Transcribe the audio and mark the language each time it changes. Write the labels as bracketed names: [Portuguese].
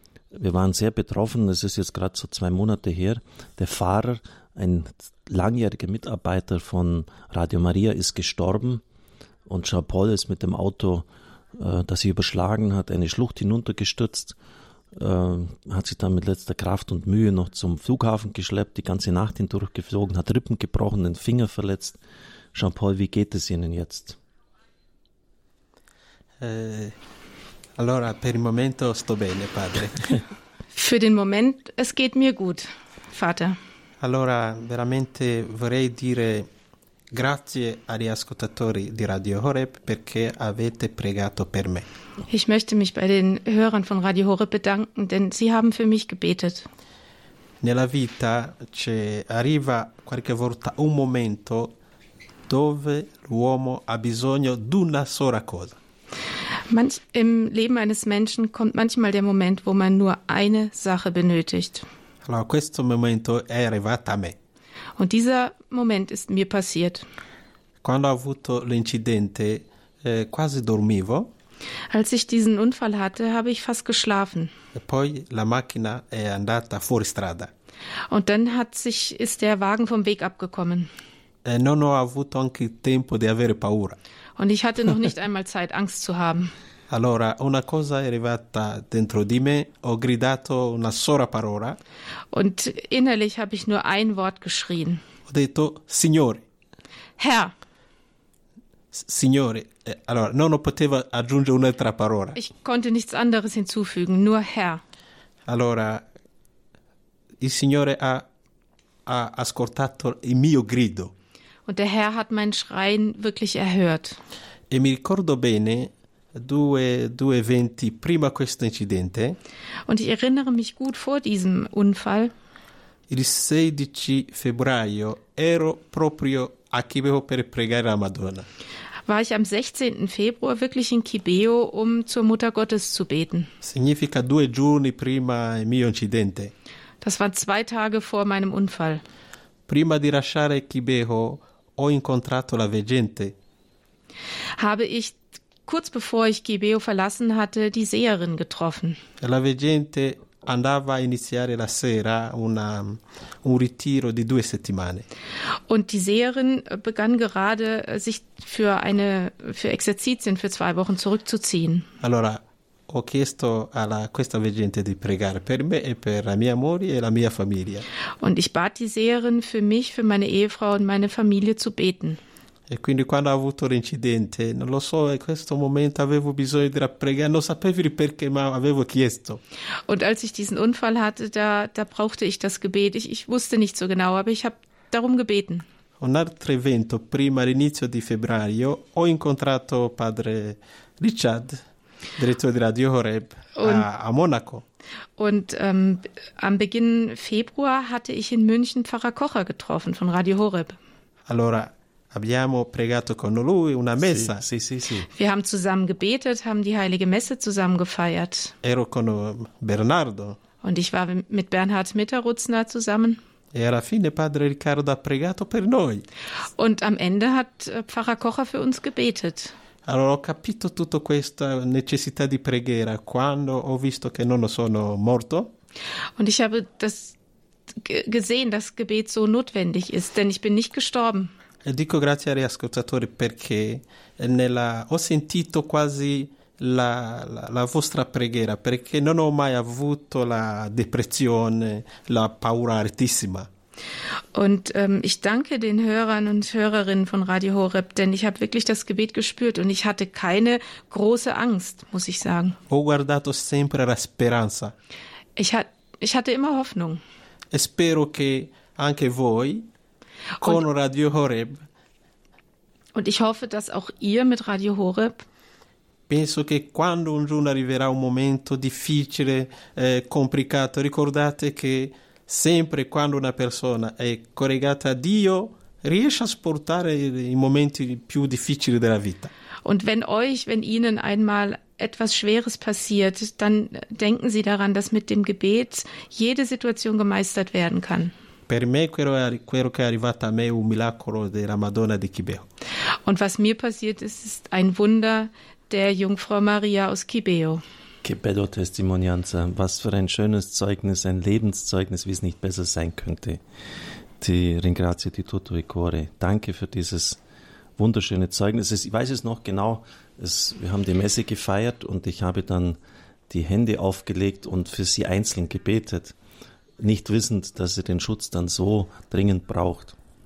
[German] Wir waren sehr betroffen, es ist jetzt gerade so 2 Monate her, der Fahrer, ein langjähriger Mitarbeiter von Radio Maria, ist gestorben und Jean-Paul ist mit dem Auto, das sich überschlagen hat, eine Schlucht hinuntergestürzt, hat sich dann mit letzter Kraft und Mühe noch zum Flughafen geschleppt, die ganze Nacht hindurch geflogen, hat Rippen gebrochen, den Finger verletzt. Jean-Paul, wie geht es Ihnen jetzt? [Italian] Allora, per il momento sto bene, padre. [German] Für den Moment, es geht mir gut, Vater. [Italian] Allora, veramente vorrei dire grazie agli ascoltatori di Radio Horeb, perché avete pregato per me. [German] Ich möchte mich bei den Hörern von Radio Horeb bedanken, denn sie haben für mich gebetet. [Italian] Nella vita ci arriva qualche volta un momento dove l'uomo ha bisogno d'una sola cosa. [German] Im Leben eines Menschen kommt manchmal der Moment, wo man nur eine Sache benötigt. [Italian] Allora, questo momento è arrivato a me. [German] Und dieser Moment ist mir passiert. [Italian] Quando ho avuto l'incidente, quasi dormivo. [German] Als ich diesen Unfall hatte, habe ich fast geschlafen. [Italian] E poi la macchina è andata fuori strada. [German] Und dann ist der Wagen vom Weg abgekommen. [Italian] E non ho avuto anche tempo di avere paura. [German] Und ich hatte noch nicht einmal Zeit, Angst zu haben. [Italian] Allora, una cosa è arrivata dentro di me, ho gridato una sola parola. [German] Und innerlich habe ich nur ein Wort geschrien. [Italian] Ho detto, Signore. [German] Herr. [Italian] Signore. Allora, non potevo aggiungere un'altra parola. [German] Ich konnte nichts anderes hinzufügen, nur Herr. [Italian] Allora, il Signore ha ascoltato il mio grido. [German] Und der Herr hat mein Schreien wirklich erhört. [Italian] E mi ricordo bene due eventi prima questo incidente. [German] Und ich erinnere mich gut vor diesem Unfall. [Italian] Il 16 febbraio ero proprio a Kibeho per pregare la Madonna. [German] War ich am 16. Februar wirklich in Kibeho, um zur Mutter Gottes zu beten. [Italian] Significa 2 giorni prima il mio incidente. [German] Das war 2 Tage vor meinem Unfall. [Italian] Prima di lasciare Kibeho ho incontrato la veggente. [German] Habe ich kurz bevor ich Kibeho verlassen hatte, die Seherin getroffen. [Italian] La veggente andava a iniziare la sera un ritiro di 2 settimane. [German] Und die Seherin begann gerade sich für Exerzitien für 2 Wochen zurückzuziehen. [Italian] Allora ho chiesto a questa veggente di pregare per me e per la mia moglie e la mia famiglia. [German] Und ich bat die Seherin für mich, für meine Ehefrau und meine Familie zu beten. [Italian] E quindi quando ho avuto l'incidente, non lo so, in questo momento avevo bisogno di pregare, non sapevo perché, ma avevo chiesto. [German] Und als ich diesen Unfall hatte, da brauchte ich das Gebet. Ich wusste nicht so genau, aber ich habe darum gebeten. [Italian] Un altro evento, prima all'inizio di febbraio, ho incontrato padre Richard, direttore di Radio Horeb, a Monaco. [German] Und am Beginn Februar hatte ich in München Pfarrer Kocher getroffen von Radio Horeb. [Italian] Allora, abbiamo pregato con lui una messa. Sì, sì, sì. [German] Wir haben zusammen gebetet, haben die heilige Messe zusammen gefeiert. [Italian] Ero con Bernardo. [German] Und ich war mit Bernhard Mitterrutzner zusammen. [Italian] E alla fine padre Riccardo ha pregato per noi. [German] Und am Ende hat Pfarrer Kocher für uns gebetet. [Italian] Allora ho capito tutto questa necessità di preghiera quando ho visto che non sono morto. [German] Und ich habe das gesehen, dass Gebet so notwendig ist, denn ich bin nicht gestorben. [Italian] E dico grazie agli ascoltatori perché ho sentito quasi la vostra preghiera, perché non ho mai avuto la depressione, la paura altissima. [German] Und ich danke den Hörern und Hörerinnen von Radio Horeb, denn ich habe wirklich das Gebet gespürt und ich hatte keine große Angst, muss ich sagen. [Italian] Ho guardato sempre la speranza. [German] Ich hatte immer Hoffnung. [Italian] E spero che anche voi con Radio Horeb. [German] Und ich hoffe, dass auch ihr mit Radio Horeb. [Italian] Penso che quando un giorno arriverà un momento difficile, complicato, ricordate che sempre quando una persona è collegata a Dio riesce a sopportare i momenti più difficili della vita. [German] Und wenn euch, wenn ihnen einmal etwas Schweres passiert, dann denken Sie daran, dass mit dem Gebet jede Situation gemeistert werden kann. [Italian] Per me quello che è arrivato a me è un miracolo della Madonna di Kibeo. [German] Und was mir passiert ist, ist ein Wunder der Jungfrau Maria aus Kibeo. [Italian] Che bello testimonianza, [German] was für ein schönes Zeugnis, ein Lebenszeugnis, wie es nicht besser sein könnte. [Italian] Ti ringrazio di tutto il cuore. [German] Danke für dieses wunderschöne Zeugnis. Ich weiß es noch genau, wir haben die Messe gefeiert und ich habe dann die Hände aufgelegt und für sie einzeln gebetet, nicht wissend, dass sie den Schutz dann so dringend braucht.